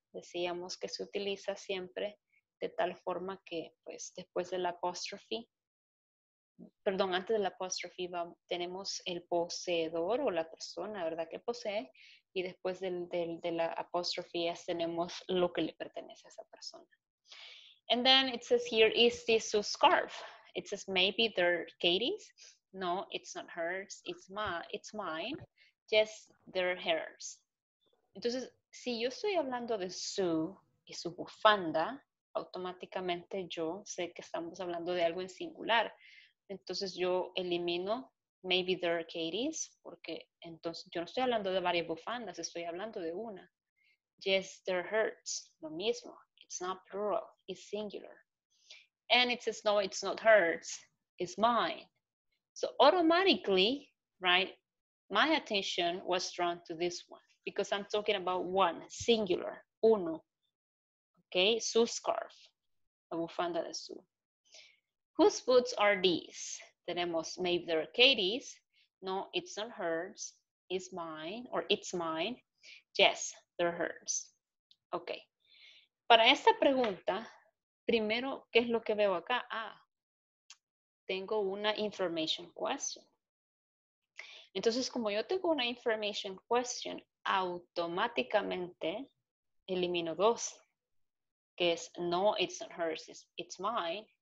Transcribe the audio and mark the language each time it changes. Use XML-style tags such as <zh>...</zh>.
<es>Decíamos que se utiliza siempre de tal forma que, pues, después del apostrophe, perdón, antes del apostrophe, tenemos el poseedor o la persona, ¿verdad?, que posee, y después de la apostrophe S tenemos lo que le pertenece a esa persona.</es> <en>And then it says here, is this Sue's scarf? It says, maybe they're Katie's. No, it's not hers. It's mine. Yes, they're hers.</en> <es>Entonces, si yo estoy hablando de Sue y su bufanda, automáticamente yo sé que estamos hablando de algo en singular. Entonces, yo elimino</es> <en>maybe they're Katie's,</en> <es>porque entonces yo no estoy hablando de varias bufandas, estoy hablando de una.</es> <en>Yes, they're hers.</en> <es>Lo mismo.</es> <en>It's not plural. It's singular. And it says, no, it's not hers, it's mine. So automatically, right, my attention was drawn to this one because I'm talking about one, singular, uno. Okay, Sue's scarf,</en> <es>la bufanda de Sue.</es> <en>Whose boots are these?</en> <es>Tenemos,</es> <en>maybe they're Katie's. No, it's not hers, it's mine, or it's mine. Yes, they're hers.</en> <es>Okay, para esta pregunta, primero, ¿qué es lo que veo acá? Ah, tengo una information question. Entonces, como yo tengo una information question, automáticamente elimino dos, que es,</es> <en>no, it's not hers, it's mine.</en>